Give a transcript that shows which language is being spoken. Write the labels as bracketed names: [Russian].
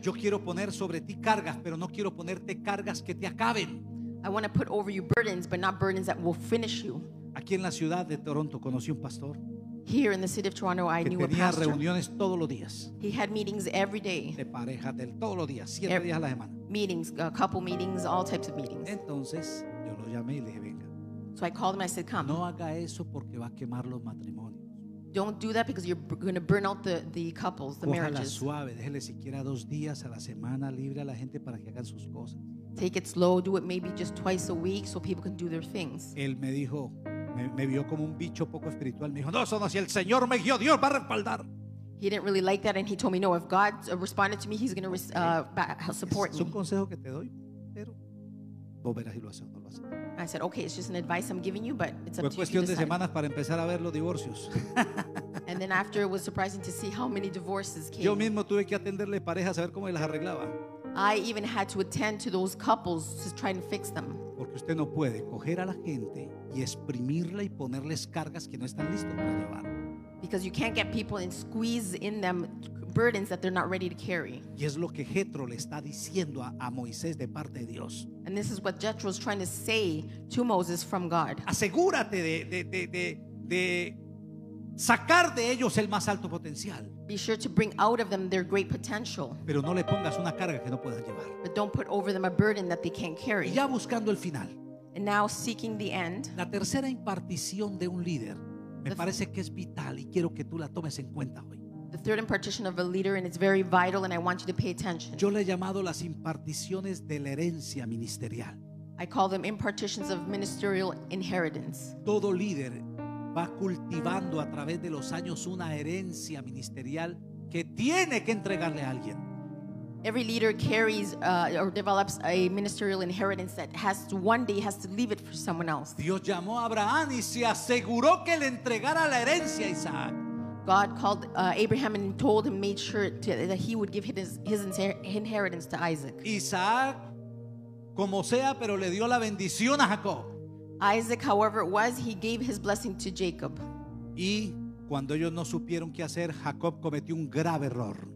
[Spanish] Yo quiero poner sobre ti cargas, pero no quiero ponerte cargas que te acaben. [English] I want to put over you burdens, but not burdens that will finish you. [Spanish] Aquí en la ciudad de Toronto conocí un pastor. [English] Here in the city of Toronto, I knew a pastor. [Spanish] Que tenía reuniones todos los días. [English] He had meetings every day. [Spanish] De pareja, del todos los días, siete días a la semana. [English] Meetings, a couple meetings, all types of meetings. [Spanish] Entonces, yo lo llamé y le dije, venga. [English] So I called him, I said, come. [Spanish] No haga eso porque va a quemar los matrimonios. [English] Don't do that because you're going to burn out the couples, the marriages. [Spanish] Cójala suave, déjele siquiera dos días a la semana libre a la gente para que hagan sus cosas. [English] Take it slow, do it maybe just twice a week so people can do their things. [Spanish] Él me dijo, me vio como un bicho poco espiritual. Me dijo, no, eso no, si el Señor me guió, Dios va a respaldar. [English] He didn't really like that and he told me, no, if God responded to me, he's going to support me. [Spanish] Es un consejo que te doy, pero vos verás si lo haces o no lo haces. [English] I said, okay, it's just an advice I'm giving you, but it's up to you. [Spanish] Fue cuestión de semanas para empezar a ver los divorcios. [English] And then after, it was surprising to see how many divorces came. [Spanish] Yo mismo tuve que atenderle parejas a ver cómo las arreglaba. [English] I even had to attend to those couples to try and fix them. [Spanish] Porque usted no puede coger a la gente y exprimirla y ponerles cargas que no están listos para llevar. [English] Because you can't get people and squeeze in them burdens that they're not ready to carry. [Spanish] Y es lo que Jethro le está diciendo a Moisés de parte de Dios. [English] And this is what Jethro is trying to say to Moses from God. [Spanish] Asegúrate de sacar de ellos el más alto potencial. [English] Be sure to bring out of them their great potential. [Spanish] Pero no le pongas una carga que no puedan llevar. [English] But don't put over them a burden that they can't carry. [Spanish] Y ya buscando el final. [English] And now seeking the end. [Spanish] La tercera impartición de un líder me parece que es vital y quiero que tú la tomes en cuenta hoy. [English] The third impartition of a leader, and it's very vital, and I want you to pay attention. [Spanish] Yo le he llamado las imparticiones de la herencia ministerial. [English] I call them impartitions of ministerial inheritance. [Spanish] Todo líder va cultivando a través de los años una herencia ministerial que tiene que entregarle a alguien. [English] Every leader carries or develops a ministerial inheritance that has to one day has to leave it for someone else. [Spanish] Dios llamó a Abraham y se aseguró que le entregara la herencia a Isaac. [English] God called Abraham and told him, made sure to, that he would give his inheritance to Isaac. [Spanish] Isaac, como sea, pero le dio la bendición a Jacob. [English] Isaac, however it was, he gave his blessing to Jacob. [Spanish] Y cuando ellos no supieron qué hacer, Jacob cometió un grave error.